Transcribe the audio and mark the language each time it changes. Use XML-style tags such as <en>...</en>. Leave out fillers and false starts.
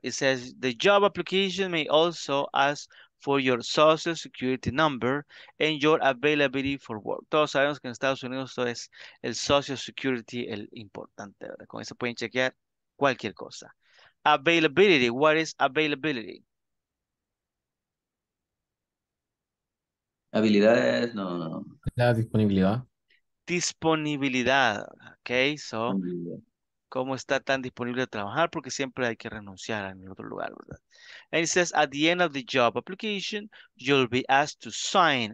<en>It says the job application may also ask for your social security number and your availability for work.</en> <es>Todos sabemos que en Estados Unidos todo es el social security el importante, ¿verdad? Con eso pueden chequear cualquier cosa.</es> <en>Availability, what is availability?</en> <es>Habilidades, no. La disponibilidad. Disponibilidad, okay, so... ¿Cómo está tan disponible a trabajar? Porque siempre hay que renunciar en el otro lugar, ¿verdad?</es> <en>And it says, at the end of the job application, you'll be asked to sign.</en>